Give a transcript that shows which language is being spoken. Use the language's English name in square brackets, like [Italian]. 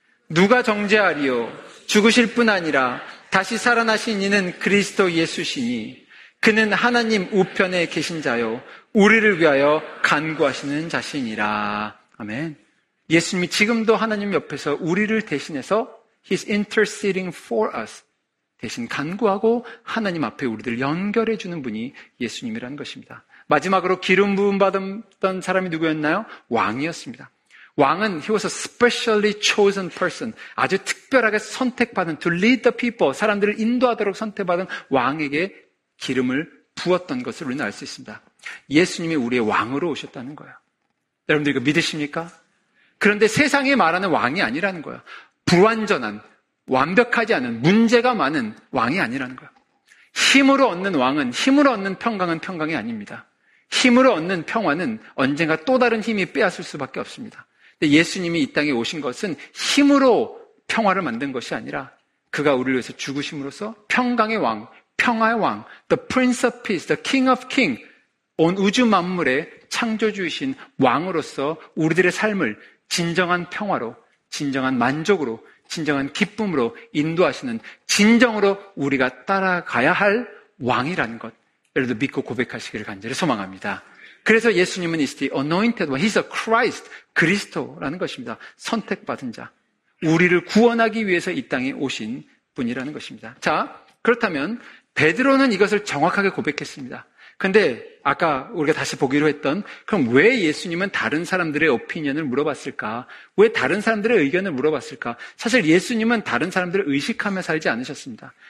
[Korean] 누가 정죄하리요? 죽으실 뿐 아니라 다시 살아나신 이는 그리스도 예수시니 그는 하나님 우편에 계신 자요 우리를 위하여 간구하시는 자신이라. 아멘. 예수님이 지금도 하나님 옆에서 우리를 대신해서 [English] He's interceding for us. [Korean] 대신 간구하고 하나님 앞에 우리들을 연결해 주는 분이 예수님이라는 것입니다. 마지막으로 기름 부음 받았던 사람이 누구였나요? 왕이었습니다. 왕은 [English] he was a specially chosen person. [Korean] 아주 특별하게 선택받은 [English] to lead the people. [Korean] 사람들을 인도하도록 선택받은 왕에게 기름을 부었던 것을 우리는 알 수 있습니다. 예수님이 우리의 왕으로 오셨다는 거예요. 여러분들 이거 믿으십니까? 그런데 세상이 말하는 왕이 아니라는 거예요. 불완전한, 완벽하지 않은, 문제가 많은 왕이 아니라는 거예요. 힘으로 얻는 왕은, 힘으로 얻는 평강은 평강이 아닙니다. 힘으로 얻는 평화는 언젠가 또 다른 힘이 빼앗을 수밖에 없습니다. 근데 예수님이 이 땅에 오신 것은 힘으로 평화를 만든 것이 아니라 그가 우리를 위해서 죽으심으로써 평강의 왕, 평화의 왕, [English] The Prince of Peace, The King of Kings, [Korean] 온 우주 만물의 창조주이신 왕으로서 우리들의 삶을 진정한 평화로, 진정한 만족으로, 진정한 기쁨으로 인도하시는 진정으로 우리가 따라가야 할 왕이라는 것, 여러분도 믿고 고백하시기를 간절히 소망합니다. 그래서 예수님은 [English] is the anointed one, he's a Christ, [Korean] 그리스도라는 것입니다. 선택받은 자, 우리를 구원하기 위해서 이 땅에 오신 분이라는 것입니다. 자, 그렇다면 베드로는 이것을 정확하게 고백했습니다. 근데 아까 우리가 다시 보기로 했던 그럼 왜 예수님은 다른 사람들의 오피니언을 물어봤을까? 왜 다른 사람들의 의견을 물어봤을까? 사실 예수님은 다른 사람들을 의식하며 살지 않으셨습니다.